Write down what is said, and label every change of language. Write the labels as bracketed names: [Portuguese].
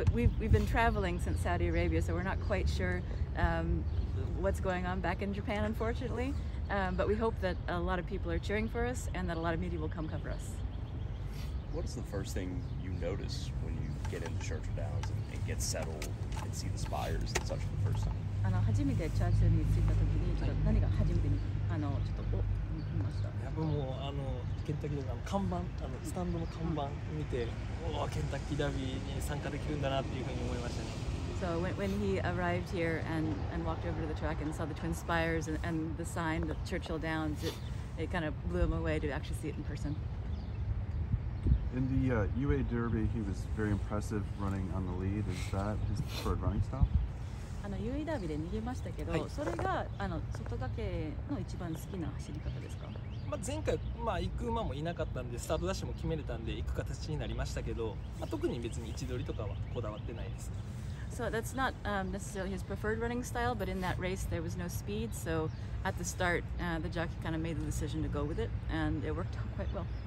[English] We've been traveling since Saudi Arabia, so we're not quite sure what's going on back in Japan, unfortunately. But we hope that a lot of people are cheering for us and that a lot of media will come cover us. What is the first thing you notice when you get into Churchill Downs and get settled and see the spires and such for the first time? [Japanese] 初めてチャーチルに着いた時にちょっと何が初めてにちょっと見ました。やっぱもうケンタッキーの看板、スタンドの看板見て、おー、ケンタッキーダービーに参加できるんだなっていうふうに思いましたね。 [English] So when he arrived here and walked over to the track and saw the twin spires and the sign of Churchill Downs, it kind of blew him away to actually see it in person. In the UA Derby, he was very impressive running on the lead. Is that his preferred running style? [Japanese] UA ダービーで逃げましたけど、はい、それが外掛けの一番好きな走り方ですか？まあ、前回、まあ、行く馬もいなかったんでスタートダッシュも決めれたんで行く形になりましたけど、まあ、特に別に位置取りとかはこだわってないです。 [English] So that's not necessarily his preferred running style, but in that race there was no speed, so at the start the jockey kind of made the decision to go with it, and it worked out quite well.